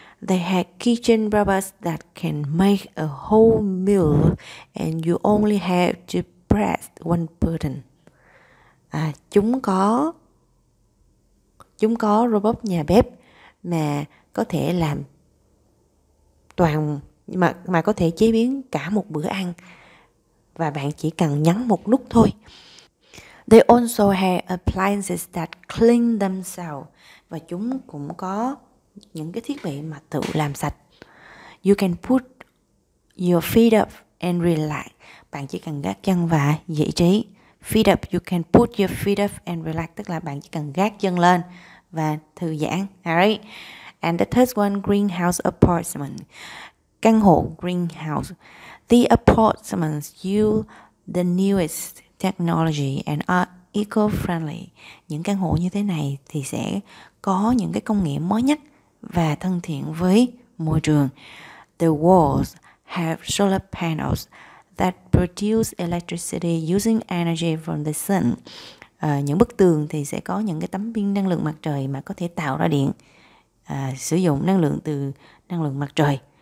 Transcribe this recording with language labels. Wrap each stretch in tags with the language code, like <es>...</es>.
<en>They have kitchen robots that can make a whole meal and you only have to press one button.</en> <vi>Chúng có robot nhà bếp mà có thể làm mà có thể chế biến cả một bữa ăn và bạn chỉ cần nhấn một nút thôi.</vi> <en>They also have appliances that clean themselves.</en> <vi>Và chúng cũng có những cái thiết bị mà tự làm sạch.</vi> <en>You can put your feet up and relax.</en> <vi>Bạn chỉ cần gác chân và vị trí.</vi> <en>Feet up, you can put your feet up and relax.</en> <vi>Tức là bạn chỉ cần gác chân lên và thư giãn.</vi> <en>Alright. And the third one, greenhouse apartment.</en> <vi>Căn hộ greenhouse.</vi> <en>The apartments use the newest technology and are eco-friendly.</en> <vi>Những căn hộ như thế này thì sẽ có những cái công nghệ mới nhất và thân thiện với môi trường.</vi> <en>The walls have solar panels that produce electricity using energy from the sun.</en> <vi>Những bức tường thì sẽ có những cái tấm pin năng lượng mặt trời mà có thể tạo ra điện, sử dụng năng lượng từ năng lượng mặt trời.</vi>